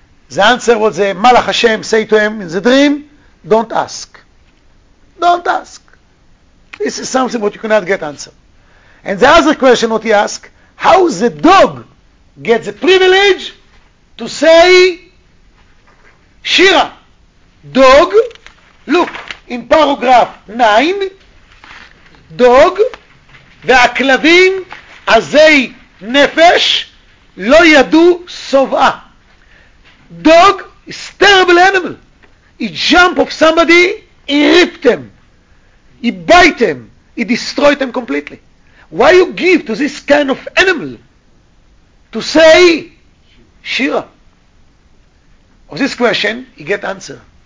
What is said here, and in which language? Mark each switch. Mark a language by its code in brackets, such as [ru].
[en] The answer was the Malach Hashem say to him in the dream, don't ask. Don't ask. This is something what you cannot get answer. And the other question what he asked, how the dog gets the privilege to say Shira? Dog, look, in paragraph 9, dog, [he] והכלבים, עזי נפש, לא ידעו סובעה. [en] Dog is terrible animal. He jump off somebody, he ripped them. He bite them. He destroyed them completely. Why you give to this kind of animal to say Shira? Of this question, he get answer.